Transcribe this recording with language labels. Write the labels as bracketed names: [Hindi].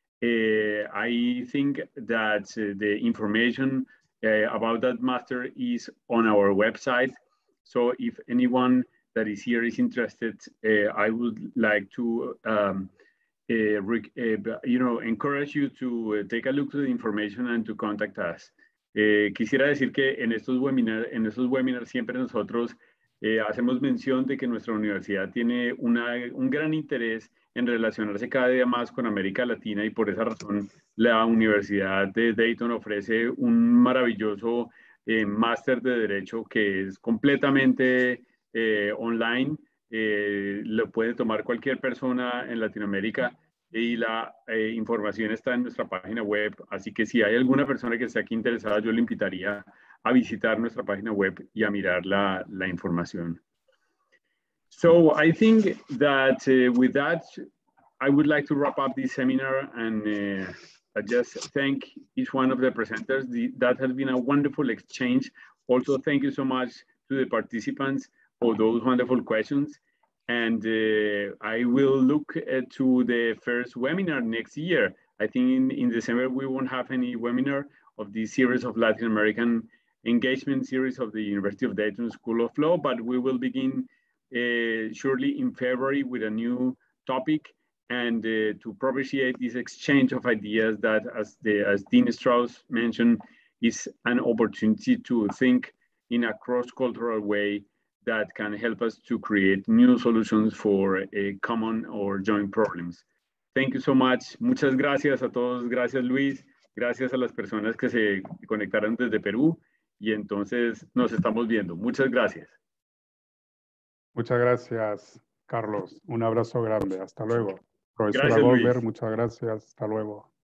[English] I think that the information about that master is on our website. So if anyone that is here is interested, I would like to encourage you to take a look at the information and to contact us. [Spanish] Quisiera decir que en estos webinars siempre nosotros hacemos mención de que nuestra universidad tiene un gran interés en relacionarse cada día más con América Latina, y por esa razón la Universidad de Dayton ofrece un maravilloso máster de Derecho que es completamente online. Lo puede tomar cualquier persona en Latinoamérica, y la información está en nuestra página web. Así que si hay alguna persona que esté aquí interesada, yo le invitaría a visitar nuestra página web y a mirar la información. [English] So I think that with that, I would like to wrap up this seminar, and I just thank each one of the presenters. That has been a wonderful exchange. Also, thank you so much to the participants for those wonderful questions. And I will look to the first webinar next year. I think in December, we won't have any webinar of this series of Latin American engagement series of the University of Dayton School of Law, but we will begin surely in February with a new topic, and to propitiate this exchange of ideas that, as Dean Strauss mentioned, is an opportunity to think in a cross-cultural way that can help us to create new solutions for a common or joint problems. Thank you so much. [Spanish] Muchas gracias a todos. Gracias, Luis. Gracias a las personas que se conectaron desde Perú. Y entonces nos estamos viendo. Muchas gracias. Muchas gracias, Carlos. Un abrazo grande. Hasta luego. Profesora Goldberg, muchas gracias. Hasta luego.